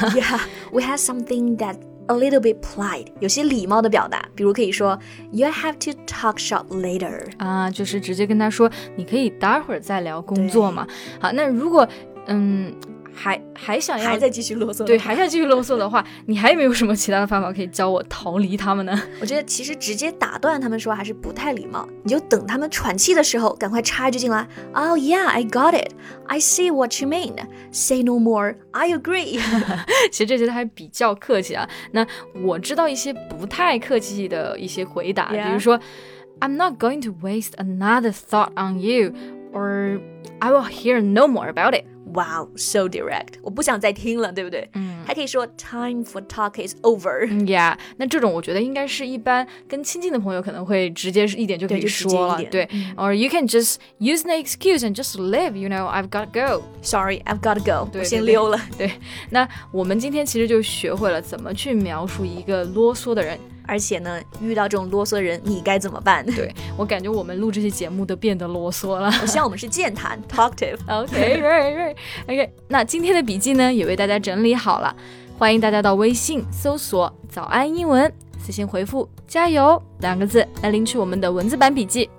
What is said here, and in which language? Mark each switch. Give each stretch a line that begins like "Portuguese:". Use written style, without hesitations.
English: Yeah, we have something that a little bit polite,
Chinese: 有些礼貌的表达，比如可以说
English: you have to talk shop later.
Chinese: 啊，就是直接跟他说，你可以待会儿再聊工作嘛。好，那如果嗯。还想要还在继续啰嗦，对，还想继续啰嗦的话，你还有没有什么其他的方法可以教我逃离他们呢？我觉得其实直接打断他们说还是不太礼貌，你就等他们喘气的时候赶快插一句进来。
English: Oh yeah, I got it, I see what you mean, say no more, I agree.
Chinese: 其实这些还比较客气啊，那我知道一些不太客气的一些回答、
English: yeah.
Chinese: 比如说
English: I'm not going to waste another thought on you or I will hear no more about it Wow, so direct.
Chinese: 我不想再听了，对不对？嗯，还可以说
English: time for talk is over.
Chinese: Yeah, 那这种我觉得应该是一般跟亲近的朋友可能会直接一点就可以说了。对，嗯、
English: Or you can just use an excuse and just leave, you know, I've got to go. Sorry, I've got to go.
Chinese: 对对对，我先溜了。对，那我们今天其实就学会了怎么去描述一个啰嗦的人。而且呢，遇到这种啰嗦的人，你该怎么办？对，我感觉我们录这期节目都变得啰嗦了。我希望我们是健谈talkative。
English: OK, right, right.
Chinese: OK, 那今天的笔记呢，也为大家整理好了。欢迎大家到微信搜索“早安英文”，私信回复“加油”两个字，来领取我们的文字版笔记。